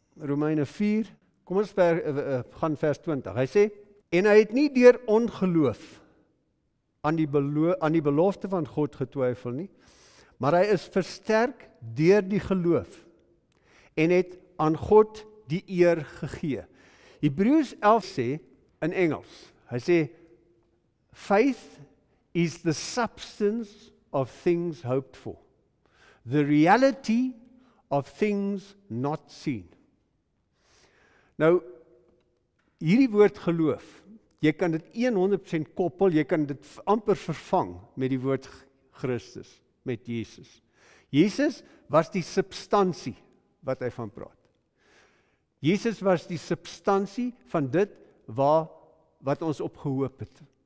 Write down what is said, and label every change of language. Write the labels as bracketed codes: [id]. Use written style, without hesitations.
[af] Romeine 4, kom ons gaan vers 20, hy sê, en hy het nie deur ongeloof aan die belofte van God getwyfel nie, maar hy is versterk deur die geloof en het aan God die eer gegee. Hebreeus 11 sê in Engels, hy sê, [en] faith is the substance of things hoped for, the reality of things not seen. [af] Nou, hierdie woord geloof, jy kan dit 100% koppel, jy kan dit amper vervang met die woord Christus, met Jesus. Jesus was die substantie wat hy van praat. Jesus was die substantie van dit wat ons op gehoop het.